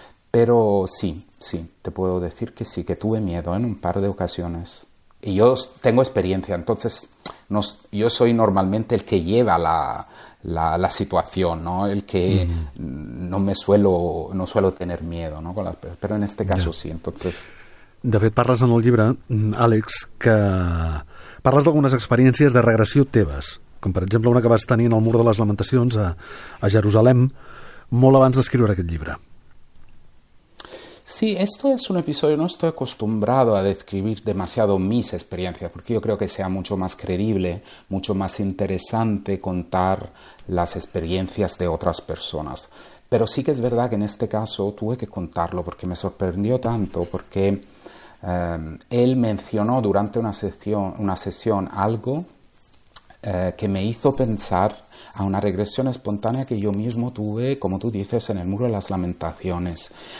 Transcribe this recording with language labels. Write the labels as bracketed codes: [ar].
[es] Pero sí, te puedo decir que sí, que tuve miedo en un par de ocasiones. Y yo tengo experiencia, entonces yo soy normalmente el que lleva la situación, ¿no? El que no suelo tener miedo, ¿no? Pero en este caso [ca] Ja. [es] sí, entonces. [ca] De fet, parles en el llibre, Àlex, que parles d'algunes experiències de regressió teves, com per exemple una que vas tenir en el mur de les Lamentacions a Jerusalem, molt abans d'escriure aquest llibre. [es] Sí, esto es un episodio. No estoy acostumbrado a describir demasiado mis experiencias, porque yo creo que sea mucho más creíble, mucho más interesante contar las experiencias de otras personas. Pero sí que es verdad que en este caso tuve que contarlo, porque me sorprendió tanto, porque él mencionó durante una sesión algo que me hizo pensar a una regresión espontánea que yo mismo tuve, como tú dices, en el Muro de las Lamentaciones.